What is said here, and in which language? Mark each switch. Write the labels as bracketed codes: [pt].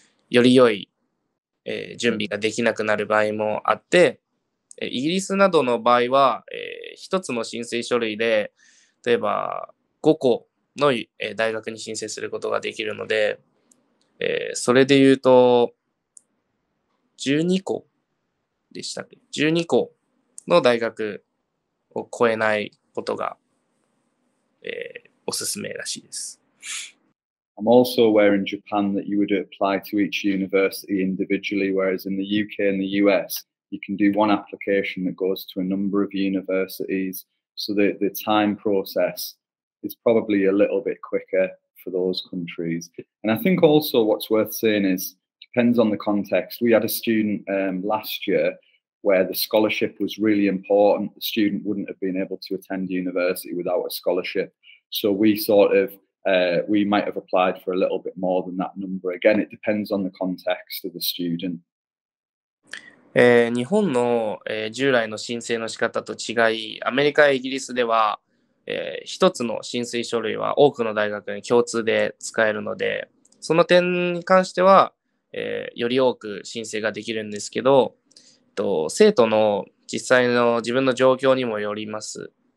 [ja] より良い、準備ができなくなる場合もあって、イギリスなどの場合は、一つの申請書類で例えば5個の、大学に申請することができるので、それで言うと12個でしたっけ、12個の大学を超えないことが、おすすめらしいです。 [en] I'm also aware in Japan that you would apply to each university individually, whereas in the UK and the US, you can do one application that goes to a number of universities, so the time process is probably a little bit quicker for those countries. And I think also what's worth saying is, depends on the context. We had a student last year where the scholarship was really important. The student wouldn't have been able to attend university without a scholarship. So we sort of, we might have applied for a little bit more than that number. Again, it depends on the context of the student. [ja] 日本の、従来の申請の仕方と違い、アメリカやイギリスでは、一つの申請書類は多くの大学に共通で使えるので、その点に関しては、より多く申請ができるんですけど、生徒の実際の自分の状況にもよります。